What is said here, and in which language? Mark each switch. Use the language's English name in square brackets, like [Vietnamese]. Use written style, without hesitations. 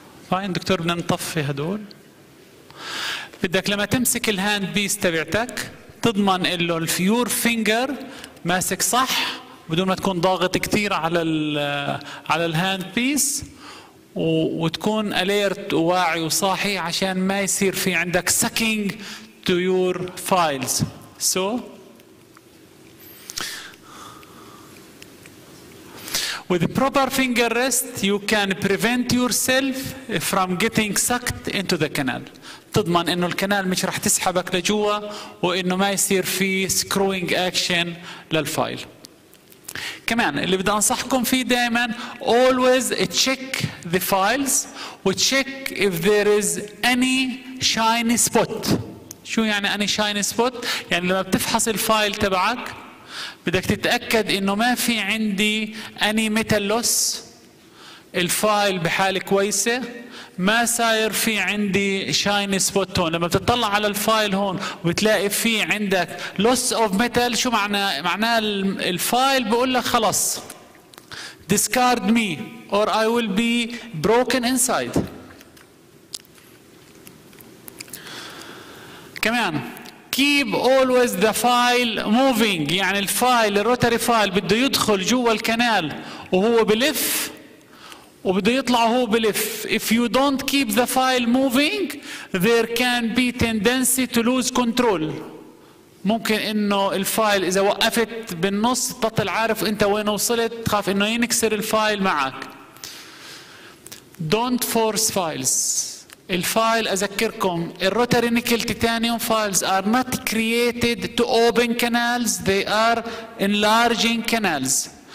[Arabic] فاين دكتور بدنا نطفي هدول. بدك لما تمسك الهاند بيس تبعتك تضمن انه الفيور فينجر ماسك صح بدون ما تكون ضاغط كثير على على الهاند بيس وتكون اليرت واعي وصاحي عشان ما يصير في عندك [English] Screwing to your files. So With the proper finger rest, you can prevent yourself from getting sucked into the canal. [Arabic] تضمن إنه الكنال مش رح تسحبك لجوا وإنه ما يصير في [English] screwing action [Arabic] للفايل. كمان اللي بدي أنصحكم فيه دائماً [English] always check the files and check if there is any shiny spot. [Arabic] شو يعني [English] any shiny spot؟ [Arabic] يعني لما بتفحص الفايل تبعك بدك تتأكد إنه ما في عندي [English] any metal loss. [Arabic] الفايل بحالة كويسة ما ساير في عندي shiny spot هون. لما بتطلع على الفايل هون وتلاقي في عندك loss of metal شو معناه الفايل بقول لك خلاص [English] discard me or I will be broken inside. كمان keep always the file moving. [Arabic] يعني الفايل الروتري فايل بده يدخل جوا الكنال وهو بلف وبده يطلع وهو بلف. [English] If you don't keep the file moving there can be tendency to lose control. [Arabic] ممكن انه الفايل اذا وقفت بالنص تبطل عارف انت وين وصلت تخاف انه ينكسر الفايل معك. [English] Don't force files. [Arabic] الفايل أذكركم [English] الروتري nickel titanium files are not created to open canals they are enlarging canals.